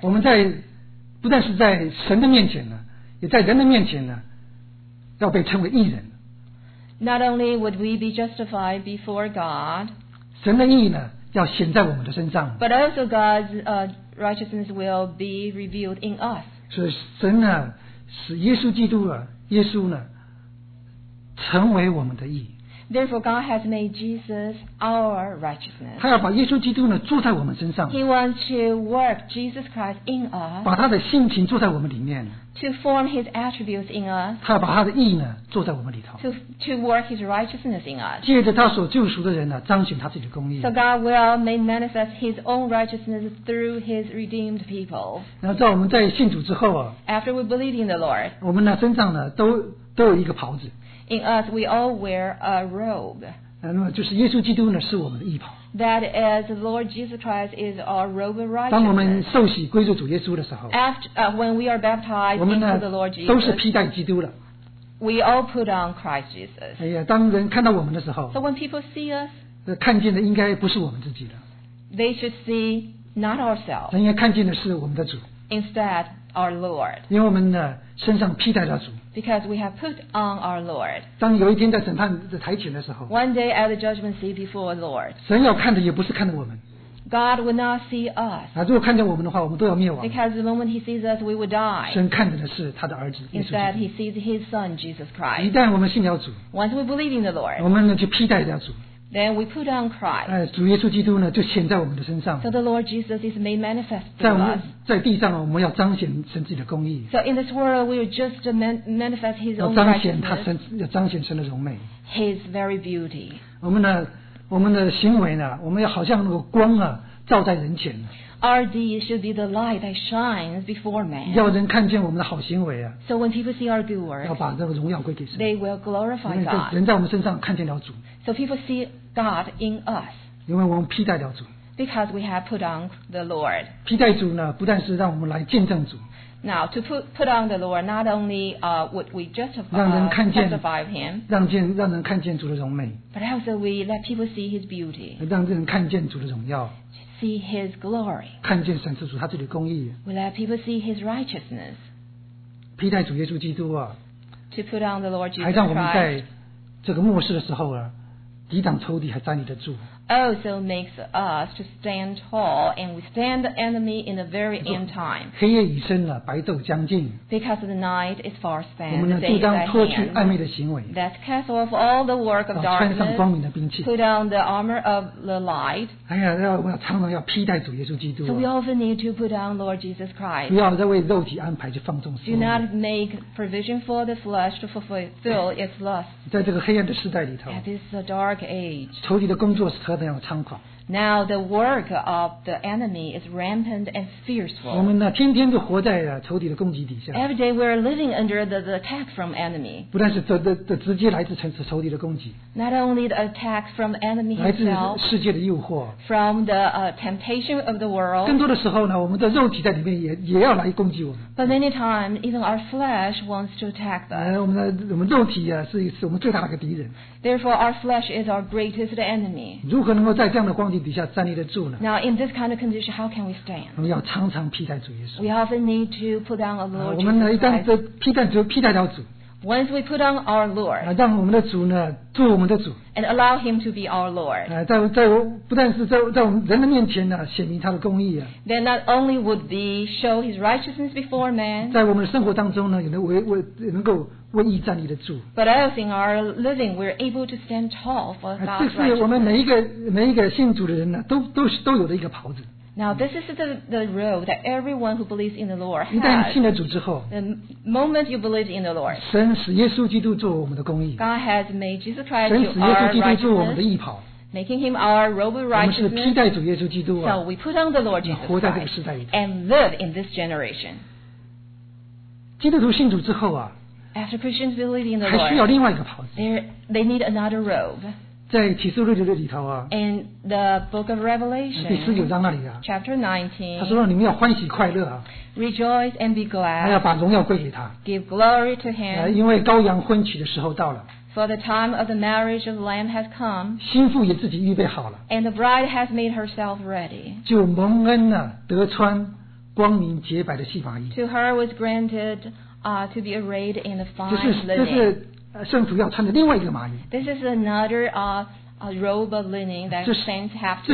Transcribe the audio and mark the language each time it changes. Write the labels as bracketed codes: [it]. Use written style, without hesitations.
[zh] 我们在不但是在神的面前呢, 也在人的面前呢, 要被称为义人。 [en] Not only would we be justified before God, [zh] 神的义呢, 要显在我们的身上, [en] but also God's righteousness will be revealed in us. [zh] 所以神呢, 使耶稣基督啊, 耶稣呢, 成为我们的义。 [en] Therefore, God has made Jesus our righteousness. [zh] 他要把耶稣基督呢, 住在我们身上, [en] He wants to work Jesus Christ in us. [zh] 把他的性情住在我们里面, [en] to form His attributes in us. [zh] 他要把他的义呢, 住在我们里头, [en] to work His righteousness in us. [zh] 借着他所救赎的人呢, 彰显他自己的公义。 [en] So God will make manifest His own righteousness through His redeemed people. [zh] 然后在我们在信主之后啊, [en] After we believe in the Lord, [zh] 我们呢, 身上呢, 都有一个袍子。 [en] In us, we all wear a robe. [zh] 那么就是耶稣基督呢, 是我们的义袍。 [en] That is, the Lord Jesus Christ is our robe of righteousness. [zh] 当我们受洗归入主耶稣的时候, [en] when we are baptized [zh] 我们呢, [en] into the Lord Jesus, [zh] 都是披戴基督了。 [en] We all put on Christ Jesus. [zh] 哎呀, 当人看到我们的时候, [en] so when people see us, [zh] 看见的应该不是我们自己的, [en] they should see not ourselves. [zh] 人家看见的是我们的主。 [en] Instead, our Lord. [zh] 因为我们呢, 身上披戴了主。 [en] Because we have put on our Lord. [zh] 当有一天在审判台前的时候, [en] One day at the judgment seat before the Lord, [zh] 神要看的也不是看的我们, [en] God will not see us. [zh] 如果看见我们的话, 我们都要灭亡, [en] because the moment He sees us, we will die. [zh] 神看着的是他的儿子, [en] Instead, He sees His Son, Jesus Christ. [zh] 一旦我们信了主, [en] Once we believe in the Lord, [zh] 我们呢就披戴了主, [en] Then we put on Christ. [zh] 主耶稣基督呢, 就显在我们的身上, [en] so the Lord Jesus is made manifest to [zh] 在我们, [en] us. [zh] 在地上, 我们要彰显神自己的公义, [en] so in this world, we will just manifest His own [zh] 要彰显他神, [en] righteousness. [zh] 要彰显神的荣美, [en] His very beauty. [zh] 我们呢, 我们的行为呢, 我们要好像那个光啊, 照在人前, [en] Our deeds should be the light that shines before man. [zh] 要人看见我们的好行为啊, [en] so when people see our good works, [zh] 要把这个荣耀归给神, [en] they will glorify God. [zh] 人在我们身上看见了主, [en] so people see God in us. [zh] 因为我们披戴了主, [en] because we have put on the Lord. [zh] 披戴主呢, 不但是让我们来见证主, [en] now, to put on the Lord, not only would we justify, [zh] 让人看见, [en] justify Him, [zh] 让见, 让人看见主的荣美, [en] but also we let people see His beauty. [zh] 让人看见主的荣耀, [en] see His glory. [zh] 看见神之主他自己的公义, [en] we let people see His righteousness. [zh] 披戴主耶稣基督啊, [en] to put on the Lord Jesus Christ. [zh] 还让我们在这个末世的时候啊, 抵挡仇敌还站立得住, [en] also makes us to stand tall and withstand the enemy in the very end time. [zh] 黑夜已深了, 白昼将近, [en] because the night is far spent. [zh] 我们呢就当脱去暧昧的行为, [en] let's cast off all the work of darkness, [zh] 穿上光明的兵器, [en] put on the armor of the light. [zh] 哎呀要常常要披戴主耶稣基督, [en] so we often need to put on Lord Jesus Christ. [zh] 不要再为肉体安排去放纵所有, [en] do not make provision for the flesh to fulfill its lust. [zh] 在这个黑暗的时代里头, [en] at this dark age, [zh] 仇敌的工作是 [en] Now the work of the enemy is rampant and fearful. [zh] 我们呢, 天天都活在仇敌的攻击底下, [en] every day we are living under the attack from enemy. [zh] 不但是直接来自仇敌的攻击, [en] not only the attack from the enemy himself, [zh] 来自世界的诱惑, [en] from the temptation of the world, [zh] 更多的时候呢, 我们的肉体在里面也, 也要来攻击我们, [en] but many times even our flesh wants to attack us. [zh] 我们的肉体啊, 是我们最大的一个敌人, [en] therefore our flesh is our greatest enemy. [zh] 如何能够在这样的光景底下站立得住呢? [en] Now in this kind of condition, how can we stand? [zh] 我们要常常披戴主耶稣, [en] we often need to put on our Lord Jesus. [zh] 我们呢一旦披戴主, [en] once we put on our Lord, [zh] 让我们的主呢, 做我们的主, [en] and allow Him to be our Lord, [zh] 不但是在我们人的面前呢, 显明他的公义啊, [en] then not only would be show His righteousness before man, [zh] 在我们的生活当中呢, 也能够为义站立得住, [en] but else in our living, we're able to stand tall for God's righteousness. [zh] 这是我们每一个信主的人呢, 都有的一个袍子。 [en] Now this is the road that everyone who believes in the Lord has. [zh] 一旦信了主之后, [en] the moment you believe in the Lord, [zh] 神使耶稣基督做我们的公义, [en] God has made Jesus Christ our righteousness, making Him our robe of righteousness. [zh] 我们是披戴主耶稣基督啊, [en] so we put on the Lord Jesus Christ, [zh] 活在这个时代里头, [en] and live in this generation. [zh] 基督徒信主之后啊, [en] After Christians believe in the Lord, [zh] 还需要另外一个袍子, [en] they need another robe. [zh] 在启示录里头啊, [en] in the book of Revelation, [zh] 第19章那里啊, [en] chapter 19, [zh] 他说你们要欢喜快乐啊, [en] rejoice and be glad. [zh] 还要把荣耀归给他, [en] give glory to him. [zh] 因为羔羊婚娶的时候到了, [en] for the time of the marriage of the Lamb has come, [zh] 新妇也自己预备好了, [en] and the bride has made herself ready. [zh] 就蒙恩啊,得穿, 光明洁白的细法衣, [en] to her was granted to be arrayed in the fine linen. This is another a robe of linen that saints have to